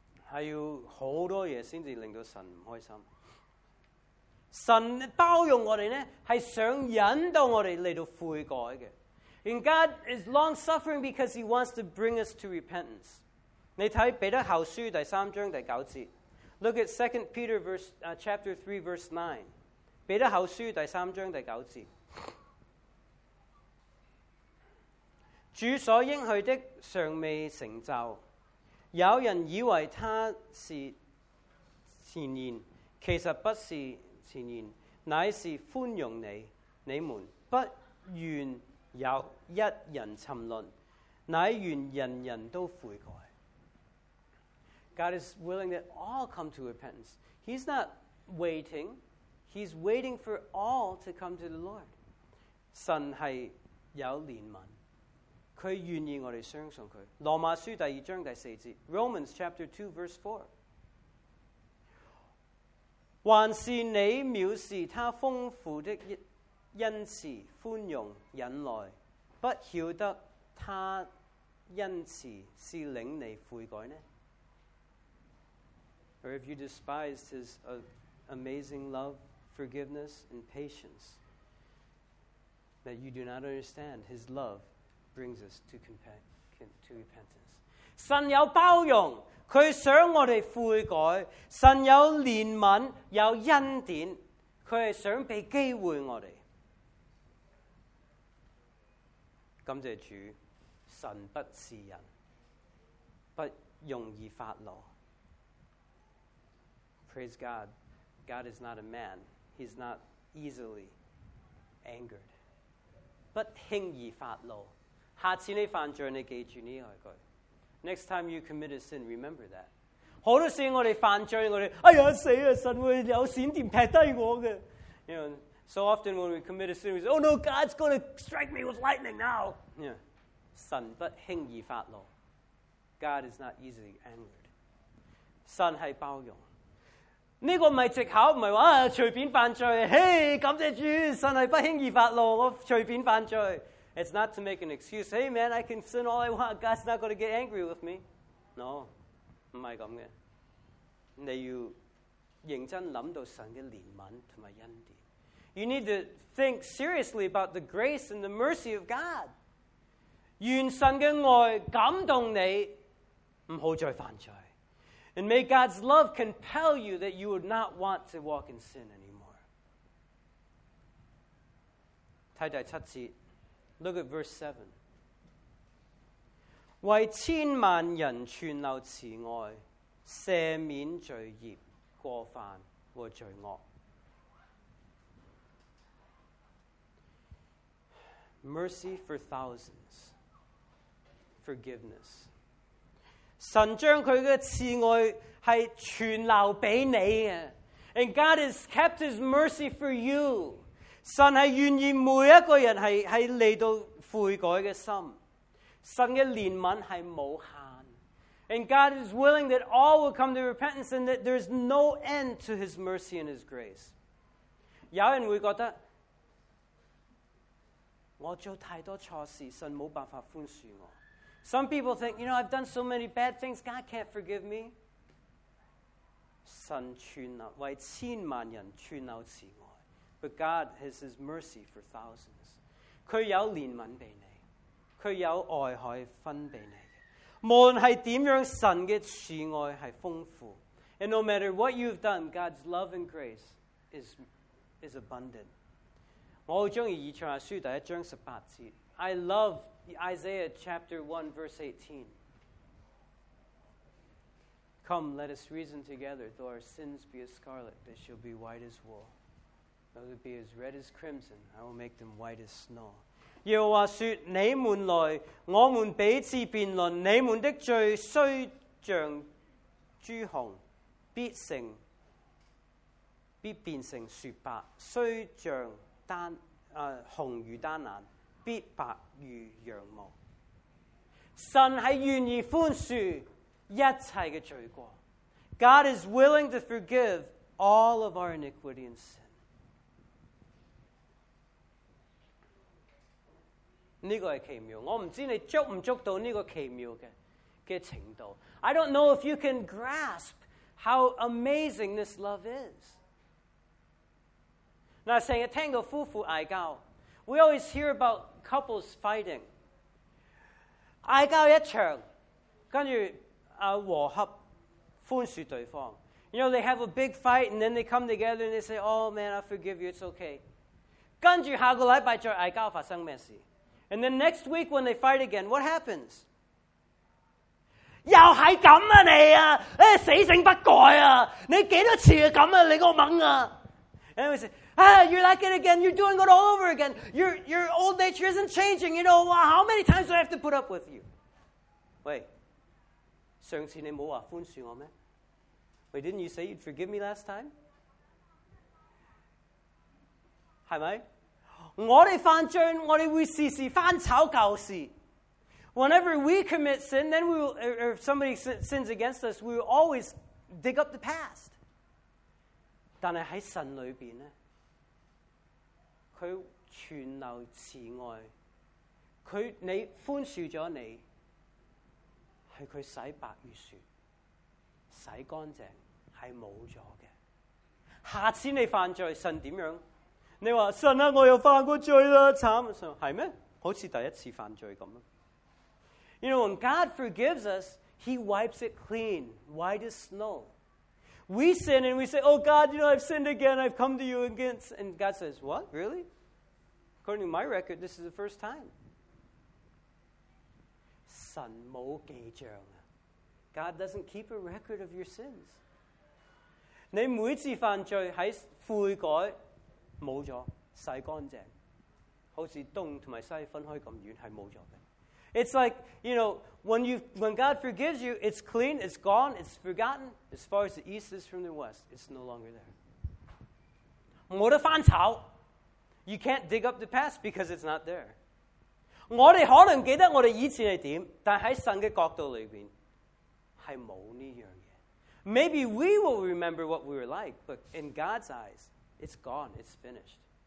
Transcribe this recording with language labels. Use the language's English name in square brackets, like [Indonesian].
[Cantonese] 是要很多东西才令到神不开心。神包容我们呢，是想引导我们来到悔改的。 [English] And God is long suffering because he wants to bring us to repentance. [Cantonese] 你看彼得后书第三章第九节。 [English] Look at 2 Peter verse, chapter 3 verse 9. [Cantonese] 彼得后书第三章第九节。主所应许的尚未成就，有人以为他是前言，其实不是前言，乃是宽容你。你们不愿有一人沉沦，乃愿人人都悔改。 [English] God is willing that all come to repentance. He's not waiting. He's waiting for all to come to the Lord. [Cantonese] 神是有怜悯，祂愿意我们相信祂。罗马书第二章第四节， [English] Romans chapter 2 verse 4。 [Cantonese] 还是你藐视他丰富的恩慈、宽容、忍耐，不晓得他恩慈是领你悔改呢？ [English] Or have you despised his amazing love, forgiveness, and patience, that you do not understand his love brings us to repentance? [Cantonese] 神有包容，祂想我们悔改。神有怜悯，有恩典，祂是想给机会我们。感谢主，神不是人，不容易发怒。 [English] Praise God, God is not a man, He's not easily angered. [Cantonese] 不轻易发怒，下次你犯罪，你记住呢一句。 [English] Next time you commit a sin, remember that. [Cantonese] 好多时我哋犯罪，我哋哎呀死啊，神会有闪电劈低我嘅。 [English] You know, so often when we commit a sin, we say, "Oh no, God's going to strike me with lightning now." [Cantonese] Yeah, 神不轻易发怒。 [English] God is not easily angered. [Cantonese] 神系包容。呢个唔系借口，唔系话随便犯罪。嘿，感谢主，神系不轻易发怒，我随便犯罪。 [English] It's not to make an excuse. Hey man, I can sin all I want. God's not going to get angry with me. [Cantonese] No, 唔系咁嘅。你要认真谂到神嘅怜悯同埋恩典。 [English] You need to think seriously about the grace and the mercy of God. [Cantonese] 愿神嘅爱感动你，唔好再犯罪。 [English] And may God's love compel you that you would not want to walk in sin anymore. [Cantonese] 太第七节。 [English] Look at verse 7. [Cantonese] 为千万人存留慈爱，赦免罪孽、过犯和罪恶。 [English] Mercy for thousands. Forgiveness. [Cantonese] 神将祂的慈爱是存留给你的。 [English] And God has kept His mercy for you. [Cantonese] 神是愿意每一个人是来到悔改的心，神的怜悯是无限。 [English] And God is willing that all will come to repentance and that there's no end to His mercy and His grace. [Cantonese] 有人会觉得，我做太多错事，神没办法宽恕我。 [English] Some people think, you know, I've done so many bad things, God can't forgive me. [Cantonese] 神存留，为千万人存留慈爱。 [English] But God has His mercy for thousands. [Cantonese] 祂有怜悯给你，祂有爱可以分给你。无论是怎样，神的慈爱是丰富。 [English] And no matter what you've done, God's love and grace is abundant. [Cantonese] 我很喜欢以赛亚书第一章十八节。 [English] I love Isaiah chapter 1 verse 18. Come, let us reason together. Though our sins be as scarlet, they shall be white as wool. Though they be as red as crimson, I will make them white as snow. [Cantonese] 耶和华说：你们来，我们彼此辩论。你们的罪虽像朱红，必变成雪白；虽像红如丹蓝，必白如羊毛。神是愿意宽恕一切的罪过。 [English] God is willing to forgive all of our iniquity and sin. [Cantonese] 这个是奇妙，我不知道你捉不捉到这个奇妙 的程度。 [English] I don't know if you can grasp how amazing this love is. [Cantonese] 那成日听到夫妇吵架， [English] We always hear about couples fighting. [Cantonese] 吵架一场，跟着和合宽恕对方。 [English] You know, they have a big fight and then they come together and they say, oh man, I forgive you, it's okay. [Cantonese] 跟着下个礼拜再吵架发生什么事？ [English] And then next week when they fight again, what happens? [Cantonese] 又系咁啊你啊，诶死性不改啊，你几多次啊咁啊你个猛啊 [English] ，anyways。 You're like it again. You're doing it all over again. Your old nature isn't changing. You know, how many times do I have to put up with you? [Cantonese] Wait. 上次你冇话宽恕我咩? [English] Wait, didn't you say you'd forgive me last time? [Cantonese] 系咪? 我哋犯罪，我哋会时时翻炒旧事。 [English] Whenever we commit sin, then we will, or if somebody sins against us, we will always dig up the past. [Cantonese] 但系喺神里边咧。他存留慈爱，他你宽恕了你，是他洗白如雪，洗干净是没了的。下次你犯罪，神怎样？你说神啊，我又犯过罪了，惨了，是吗？好像第一次犯罪一样。 [English] You know, when God forgives us, He wipes it clean, white as snow. We sin and we say, oh God, you know, I've sinned again. I've come to you again. And God says, what? Really? According to my record, this is the first time. [Cantonese] 神冇记账。 [English] God doesn't keep a record of your sins. [Cantonese] 你每次犯罪在悔改冇了洗干净。好像东和西分开那么远是冇了的。 [English] It's like, you know, when God forgives you, it's clean, it's gone, it's forgotten. As far as the east is from the west, it's no longer there. [Cantonese] 我的翻炒。 [English] You can't dig up the past because it's not there. [Cantonese] 我们可能记得我们以前是怎样，但在神的角度里面是没有这样。 [English] Maybe we will remember what we were like, but in God's eyes, it's gone, it's finished.